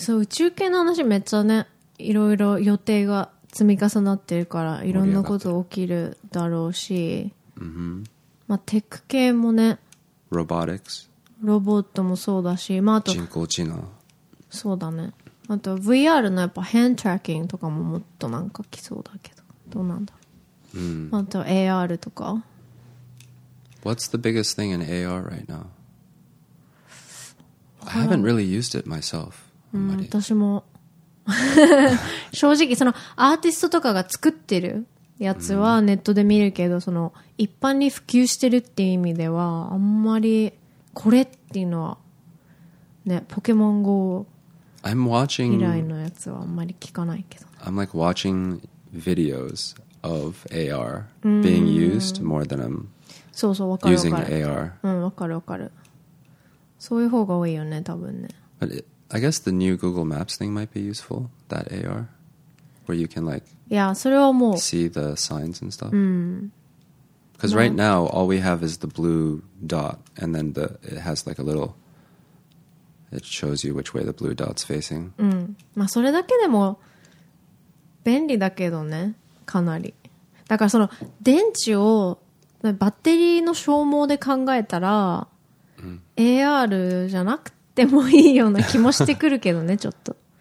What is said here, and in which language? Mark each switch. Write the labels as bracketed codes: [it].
[ja] So 宇宙系の話めっちゃね。いろいろ予定が積み重なってるからいろんなこと起きるだろうし、まあテック系もね、 [en] Robotics、 [ja] ロボットもそうだし、まああと人工知能、そうだね。あと VR のやっぱハンドトラッキングとかももっとなんか来そうだけど、どうなんだ。あと AR とか。 [en] What's the biggest thing in AR right now? I haven't really used it myself. [ja] 私も。正直そのアーティストとかが作ってるやつはネットで見るけど、その一般に普及してるっていう意味ではあんまりこれっていうのはね、ポケモン GO 以来のやつはあんまり聞かないけど、 [en] ね、I'm like watching videos of AR being used more than I'm [ja] そうそう、わかるわかる、 [en] using AR、 [ja] うん、わかるわかる、そういう方が多いよね多分ね。 [en] I guess the new Google Maps thing might be useful, that AR, where you can like [ja] yeah, それはもう [en] see the signs and stuff. Because right now, all we have is the blue dot, and then it has like a little, it shows you which way the blue dot's facing. [ja] まあそれだけでも便利だけどね、かなり。だからその電池をバッテリーの消耗で考えたら、AR じゃなくてでもいいような気もしてくるけどね、ちょっと。